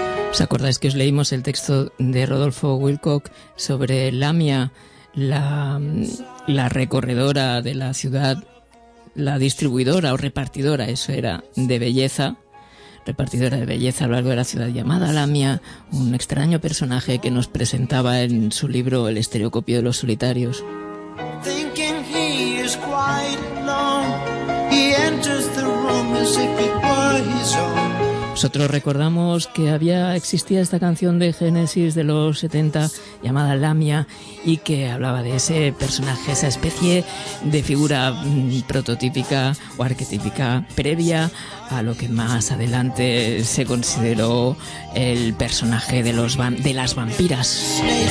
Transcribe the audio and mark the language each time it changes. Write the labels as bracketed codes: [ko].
[es] ¿Os acordáis que os leímos el texto de Rodolfo Wilcock sobre Lamia, la recorredora de la ciudad, la distribuidora o repartidora, eso era, de belleza? Repartidora de belleza a lo largo de la ciudad llamada Lamia, un extraño personaje que nos presentaba en su libro El estereocopio de los solitarios. [en] Thinking he is quite alone, he enters the room as if it were his own. [es] Nosotros recordamos que existía esta canción de Génesis de los 70 llamada Lamia, y que hablaba de ese personaje, esa especie de figura prototípica o arquetípica previa a lo que más adelante se consideró el personaje de los de las vampiras.